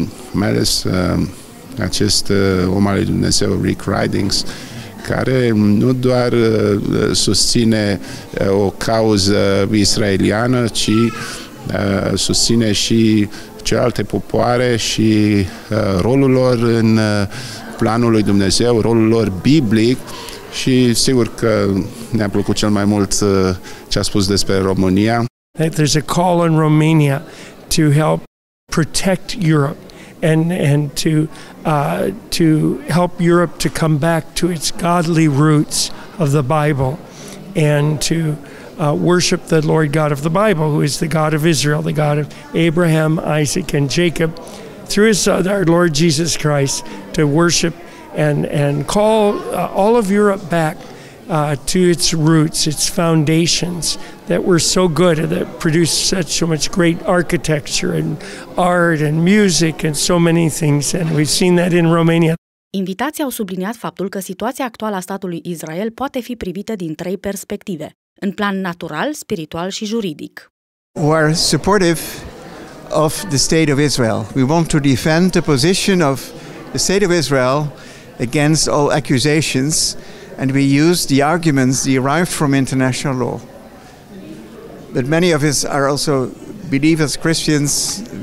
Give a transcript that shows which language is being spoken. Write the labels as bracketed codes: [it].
[ro] mai ales acest om al lui Dumnezeu, Rick Ridings, care nu doar susține o cauză israeliană, ci susține și celelalte popoare și rolul lor în planul lui Dumnezeu, rolul lor biblic, și sigur că ne-a plăcut cel mai mult ce a spus despre România. [en] There's a call in Romania to help protect Europe and to help Europe to come back to its godly roots of the Bible and to worship the Lord God of the Bible, who is the God of Israel, the God of Abraham, Isaac and Jacob, through his son, our Lord Jesus Christ, to worship and call all of Europe back to its roots, its foundations that were so good and that produced such so much great architecture and art and music and so many things. And we've seen that in Romania. [ro] Invitații au subliniat faptul că situația actuală a statului Israel poate fi privită din trei perspective, în plan natural, spiritual și juridic. [en] We're supportive of the state of Israel. We want to defend the position of the state of Israel against all accusations, and we use the arguments derived from international law. But many of us are also believers, Christians.